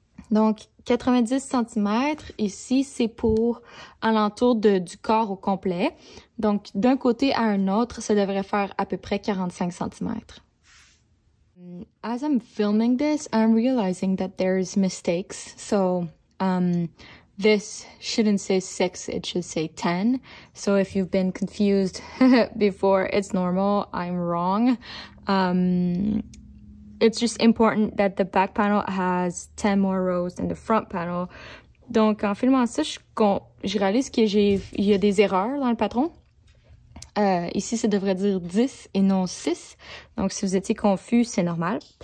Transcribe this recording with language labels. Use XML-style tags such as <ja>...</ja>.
<fr>Donc 90 cm ici c'est pour alentour du corps au complet. Donc d'un côté à un autre, ça devrait faire à peu près 45 cm.</fr> <en>As I'm filming this, I'm realizing that there's mistakes. So this shouldn't say 6, it should say 10. So if you've been confused before, it's normal, I'm wrong. It's just important that the back panel has 10 more rows than the front panel.</en> <fr>Donc, en filmant ça, je réalise qu'il y a des erreurs dans le patron. Ici, ça devrait dire 10 et non 6. Donc, si vous étiez confus, c'est normal.</fr>